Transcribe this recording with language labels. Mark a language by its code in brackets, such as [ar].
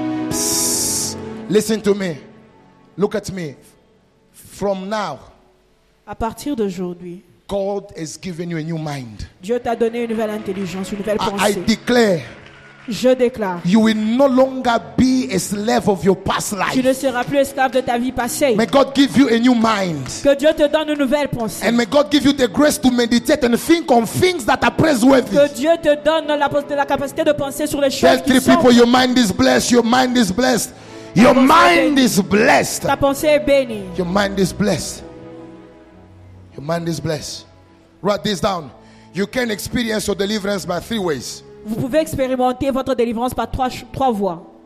[en] Psst. Listen to me. Look at me. From now. [fr] À partir d'aujourd'hui. [en] God has given you a new mind. [fr] Dieu t'a donné une nouvelle intelligence, une nouvelle pensée. [en] I declare. [fr] Je déclare. [en] You will no longer be a slave of your past life. [fr] Tu ne seras plus esclave de ta vie passée. [en] May God give you a new mind. [fr] Que Dieu te donne une nouvelle pensée. [en] And may God give you the grace to meditate and think on things that are praiseworthy. [fr] Que Dieu te donne la capacité de penser sur les choses qui sont. [en] Tell three people, your mind is blessed. Your mind is blessed. Your mind is blessed. [fr] Ta pensée est bénie. [en] Your mind is blessed. Your mind is blessed. Write this down. You can experience your deliverance by three ways. [fr] Vous pouvez expérimenter votre délivrance par trois voies.